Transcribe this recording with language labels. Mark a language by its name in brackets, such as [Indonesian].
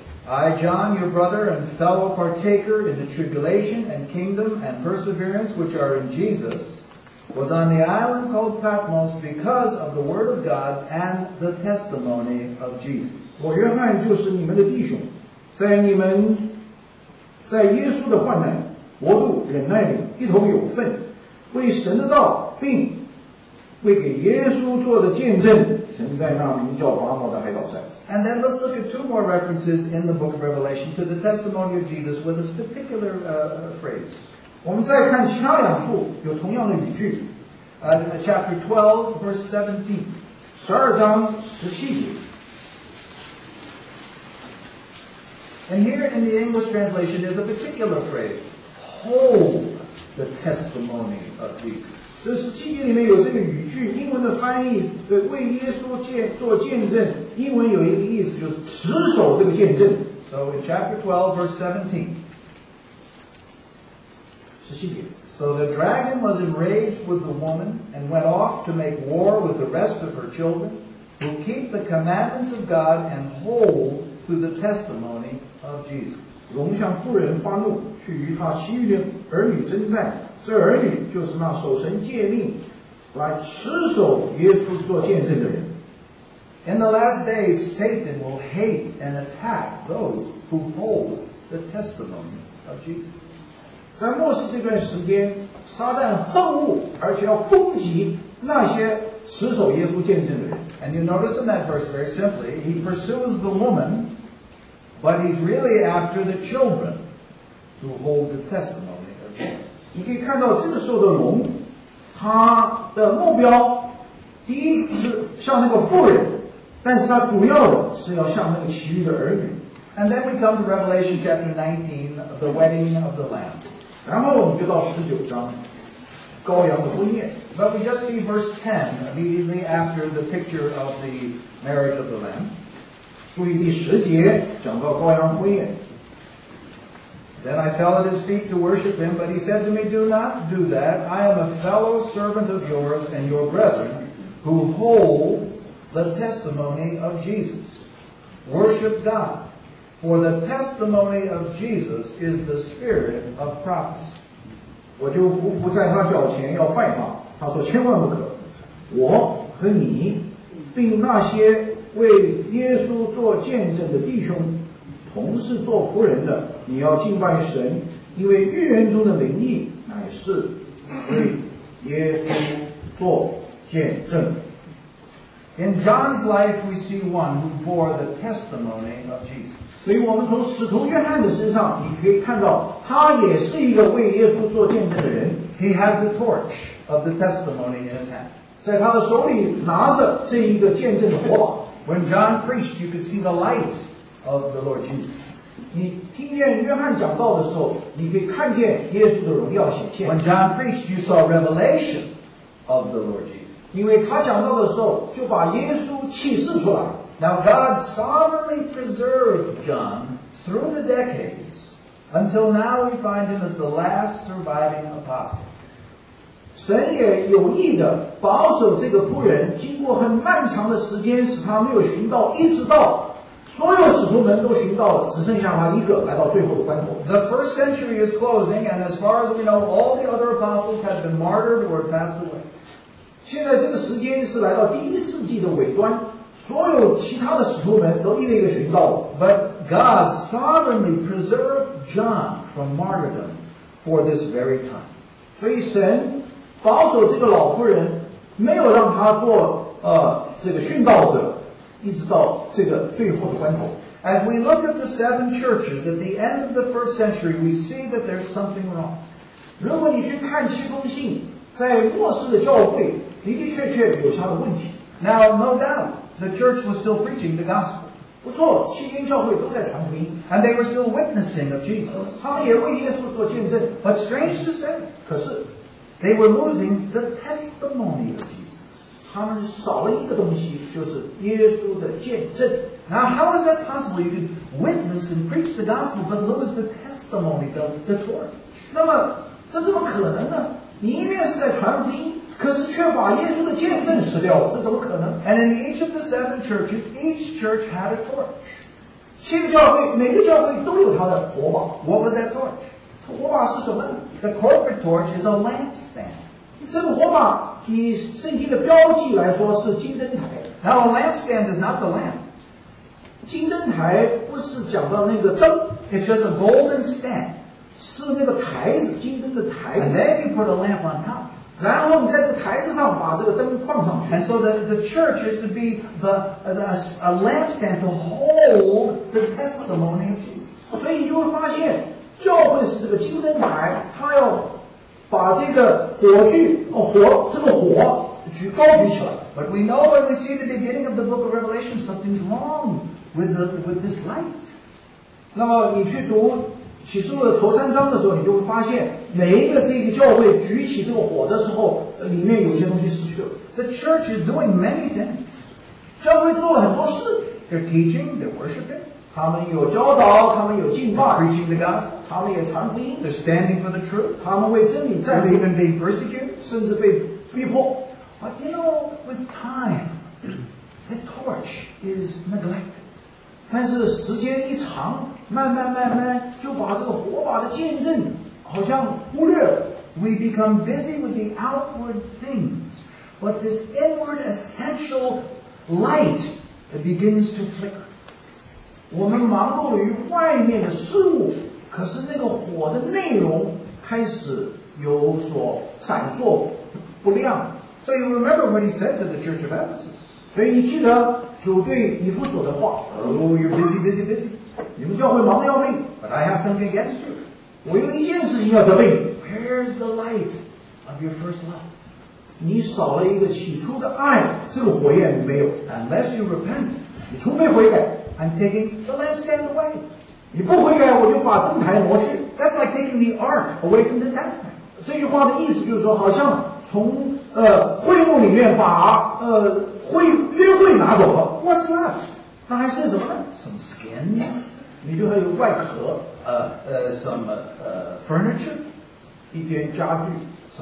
[English] I, John, your brother and fellow partaker in the tribulation and kingdom and perseverance which are in Jesus, was on the island called Patmos because of the word of God and the testimony of Jesus. [Chinese] 我约翰就是你们的弟兄。在你们在耶稣的患难国度忍耐里一同有份，为神的道并为给耶稣做的见证，曾在那名叫拔摩的海岛上。 [English] And then let's look at two more references in the book of Revelation to the testimony of Jesus with this particular phrase. [Chinese] 我们再看其他两处有同样的语句。 [English] Chapter 12 verse 17, [Chinese] 十二章十七节。 [English] And here in the English translation is a particular phrase, hold the testimony of Jesus. [Chinese] 这十七节里面有这个语句，英文的翻译对为耶稣做见证，英文有一个意思就是持守这个见证。 [English] So in chapter 12, verse 17, [Chinese] 十七节。 [English] So the dragon was enraged with the woman and went off to make war with the rest of her children who keep the commandments of God and hold to the testimony of Jesus. [Chinese] 龙向妇人发怒，去与他其余的儿女征战。这儿女就是那守神诫命，来持守耶稣做见证的人。 [English] In the last days, Satan will hate and attack those who hold the testimony of Jesus. [Chinese] 在末世这段时间，撒旦恨恶，而且要攻击那些持守耶稣见证的人。 [English] And you notice in that verse very simply, he pursues the woman. But he's really after the children who hold the testimony of Jesus. [Chinese] 你可以看到这个时候的龙，他的目标第一是像那个妇人，但是他主要是要像那个其余的儿女。 [English] And then we come to Revelation chapter 19, the wedding of the Lamb. [Chinese] 然后我们就到十九章，羔羊的婚宴。 [English] But we just see verse 10 immediately after the picture of the marriage of the Lamb. [Chinese] 注意第十节讲到羔羊婚宴。 [English] Then I fell at his feet to worship him, but he said to me, "Do not do that. I am a fellow servant of yours and your brethren, who hold the testimony of Jesus. Worship God, for the testimony of Jesus is the spirit of prophecy." [Chinese] 我就伏伏在他脚前要拜他，他说千万不可。我和你，并那些。为耶稣做见证的弟兄，同是做仆人的，你要敬拜神，因为预言中的灵意乃是为耶稣做见证。 [English] In John's life, we see one who bore the testimony of Jesus. [Chinese] 所以我们从使徒约翰的身上，你可以看到，他也是一个为耶稣做见证的人。 [English] He had the torch of the testimony in his hand. [Chinese] 在他的手里拿着这一个见证的火把。 [English] When John preached, you could see the light of the Lord Jesus. [Chinese] 你听见约翰讲道的时候，你可以看见耶稣的荣耀显现。 [English] When John preached, you saw revelation of the Lord Jesus. [Chinese] 因为他讲道的时候，就把耶稣启示出来。 [English] Now God sovereignly preserved John through the decades until now we find him as the last surviving apostle. [Chinese] 神也有意的保守这个仆人，经过很漫长的时间，使他没有寻到，一直到所有使徒们都寻到了，只剩下他一个来到最后的关头。 [English] The first century is closing, and as far as we know, all the other apostles have been martyred or passed away. [Chinese] 现在这个时间是来到第一世纪的尾端，所有其他的使徒们都一个一个寻到了。 [English] But God sovereignly preserved John from martyrdom for this very time. [Chinese] 所以神保守这个老仆人没有让他做这个殉道者，一直到这个最后的关头。 [English] As we look at the seven churches at the end of the first century, we see that there's something wrong. [Chinese] 如果你去看七封信，在末世的教会，的的确确有它的问题。 [English] Now, no doubt, the church was still preaching the gospel. [Chinese] 不错，七间教会都在传福音。 [English] And they were still witnessing of Jesus. [Chinese] 他们也为耶稣做见证。 [English] But strange to say, [Chinese] 可是 [English] they were losing the testimony of Jesus. [Chinese] 他们少了一个东西，就是耶稣的见证。 [English] Now, how is that possible? You can witness and preach the gospel, but lose the testimony, the Torah. [Chinese] 那么这怎么可能呢？你一面是在传福音，可是却把耶稣的见证失掉了，这怎么可能 [English] ？And in each of the seven churches, each church had a torch. [Chinese] 七个教会，每个教会都有它的火把。 [English] What was that torch? [Chinese] 火把是什么 [English] ？The corporate torch is a lampstand. [Chinese] 这个火把以圣经的标记来说是金灯台。 [English] Now a lampstand is not the lamp. [Chinese] 金灯台不是讲到那个灯。 [English] It's just a golden stand. [Chinese] 是那个台子，金灯的台子。 [English] And then you put a lamp on top. [Chinese] 然后你在这个台子上把这个灯放上去。 [English] And so the church is to be a lampstand to hold the testimony of Jesus. [Chinese] 所以你就会发现教会是这个金灯台，它要把这个火炬火这个火举高举起来。 [English] But we know when we see the beginning of the book of Revelation, something's wrong with this light. [Chinese] 那么你去读启示录的头三章的时候，你就会发现每一个这个教会举起这个火的时候，里面有些东西失去了。 [English] The church is doing many things. [Chinese] 教会做了很多事。 [English] They're teaching, they're worshiping. [Chinese] 他们有教导，他们有敬拜。 [English] Preaching the gospel. [Chinese] 他们也传福音。 [English] They're standing for the truth. [Chinese] 他们为真理站。 [English] They're even being persecuted. [Chinese] 甚至被逼迫。 [English] But you know, with time, the torch is neglected. [Chinese] 但是时间一长，慢慢慢慢就把这个火把的见证好像忽略了。 [English] We become busy with the outward things. But this inward essential light begins to flicker. [Chinese] 我们忙碌于外面的事物。可是那个火的内容开始有所闪烁不亮。 [English] So you remember what he said to the church of Ephesus. [Chinese] 所以你记得主对以弗所的话。 [English] Oh, you're busy, busy, busy. [Chinese] 你们教会忙得要命。 [English] But I have something against you. [Chinese] 我有一件事情要责备。 [English] Where's the light of your first love? [Chinese] 你少了一个起初的爱，这个火焰没有。 [English] Unless you repent. [Chinese] 你除非悔改。 [English] I'm taking the lampstand away. [Chinese] 你不悔改，我就把灯台挪去。 [English] That's like taking the ark away from the tabernacle. [Chinese] 这句话的意思就是说，好像从会幕里面把约柜拿走了。 [English] What's left? [Chinese] 那还剩什么 [English] ？Some skins. [Chinese] 你就还有外壳。 [English] Some furniture. [Chinese] 一点家具。